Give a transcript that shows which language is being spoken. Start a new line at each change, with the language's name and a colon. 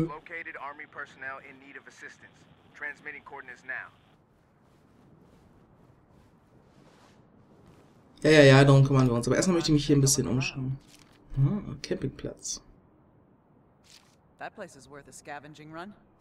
English: Located Army personnel in need of assistance. Transmitting coordinates now.
German: Ja, darum kümmern wir uns. Aber erstmal möchte ich mich hier ein bisschen umschauen. Ah, Campingplatz.
English: That place is worth a scavenging run.